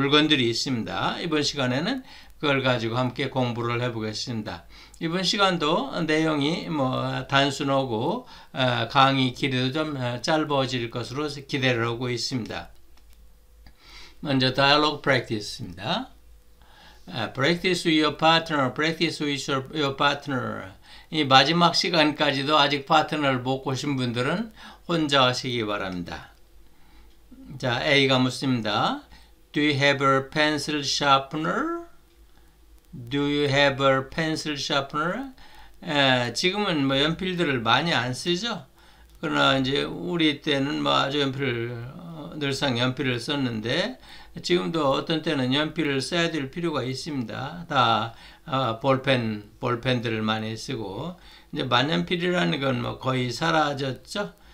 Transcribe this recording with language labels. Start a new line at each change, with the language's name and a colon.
Korean: 물건들이 있습니다. 이번 시간에는 그걸 가지고 함께 공부를 해보겠습니다. 이번 시간도 내용이 뭐 단순하고 강의 길이도 좀 짧아질 것으로 기대를 하고 있습니다. 먼저 다이얼로그 프랙티스입니다.
English: Practice with your partner. Practice with your partner.
Korean: 이 마지막 시간까지도 아직 파트너를 못 보신 분들은 혼자 하시기 바랍니다. 자, A가 묻습니다.
English: Do you have a pencil sharpener? Do you have a pencil sharpener?
Korean: 지금은 뭐 연필들을 많이 안 쓰죠. 그러나 이제 우리 때는 뭐 아주 연필을 늘상 연필을 썼는데 지금도 어떤 때는 연필을 써야 될 필요가 있습니다. 다 볼펜들을 많이 쓰고 이제 만년필이라는 건 뭐 거의 사라졌죠.